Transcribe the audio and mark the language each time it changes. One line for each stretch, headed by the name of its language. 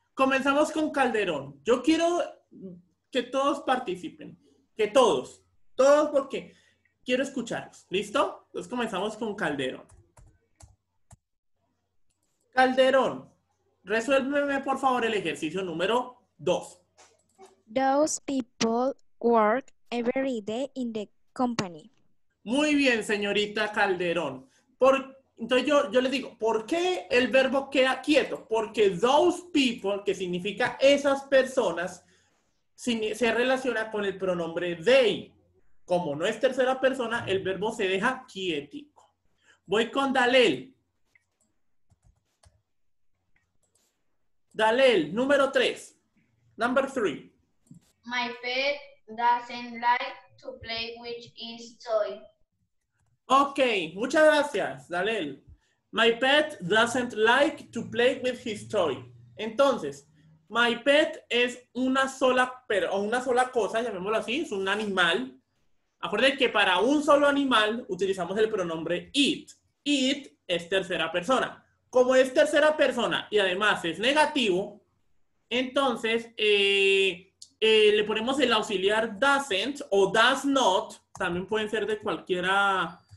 Spanish: Comenzamos con Calderón. Yo quiero que todos participen. Que todos. Todos porque quiero escucharlos. ¿Listo? Entonces comenzamos con Calderón. Calderón, resuélveme por favor el ejercicio número 2.
English: Those people work every day in the company.
Spanish: Muy bien, señorita Calderón. Entonces yo les digo, ¿por qué el verbo queda quieto? Porque
English: those people,
Spanish: que significa esas personas, se relaciona con el pronombre they. Como no es tercera persona, el verbo se deja quietico. Voy con Dalel. Dalel, número 3.
English: Number 3. My pet doesn't like to play with his toy.
Spanish: Ok, muchas gracias, Dalel.
English: My pet doesn't like to play with his toy.
Spanish: Entonces,
English: my pet
Spanish: es una sola cosa, llamémoslo así, es un animal. Acuérdense que para un solo animal utilizamos el pronombre it. It es tercera persona. Como es tercera persona y además es negativo, entonces le ponemos el auxiliar doesn't o
English: does not,
Spanish: también pueden ser de cualquiera...